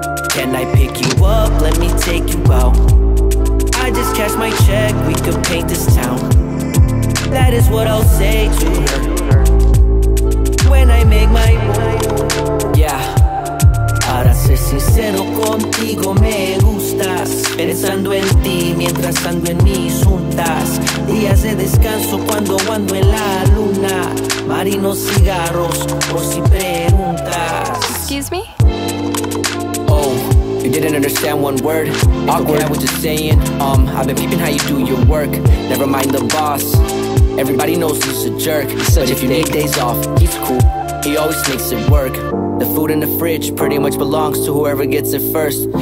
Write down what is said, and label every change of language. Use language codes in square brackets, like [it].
[en] Can I pick you up? Let me take you out. I just cashed my check, we could paint this town. That is what I'll say to her when I make my move. Yeah. [es] Para ser sincero contigo me gustas. Pensando en ti mientras ando en mis juntas. Días de descanso cuando ando en la luna. Marinos cigarros por si preguntas. [en] Excuse me? Oh, you didn't understand one word. Awkward, okay. I was just saying, I've been peeping how you do your work. Never mind the boss. Everybody knows he's a jerk. But if you need days off, he's cool. He always makes it work. The food in the fridge pretty much belongs to whoever gets it first.